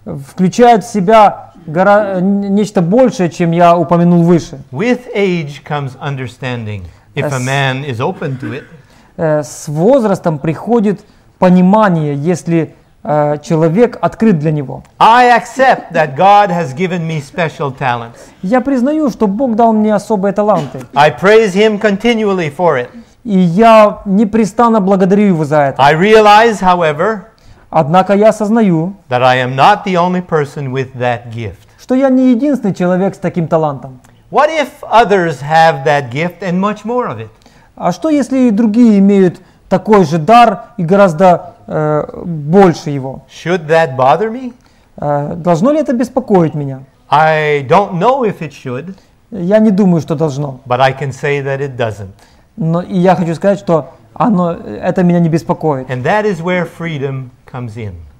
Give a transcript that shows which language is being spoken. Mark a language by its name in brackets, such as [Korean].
[Russian] Включает в себя нечто большее, чем я упомянул выше. [English] With age comes understanding, if a man is open to it. [Russian] С возрастом приходит понимание, если человек открыт для него. [English] I accept that God has given me special talents. [Russian] Я признаю, что Бог дал мне особые таланты. [English] I praise him continually for it. [Russian] И я непрестанно благодарю его за это. [English] I realize, however, [Russian] однако я осознаю, [English] that I am not the only person with that gift. [Russian] Что я не единственный человек с таким талантом. [English] What if others have that gift and much more of it? [Russian] А что, если и другие имеют такой же дар и гораздо больше его? [English] Should that bother me? [Russian] Должно ли это беспокоить меня? [English] I don't know if it should. [Russian] Я не думаю, что должно. [English] But I can say that it doesn't. [Russian] Но и я хочу сказать, что это меня не беспокоит. [English] And that is where freedom comes in.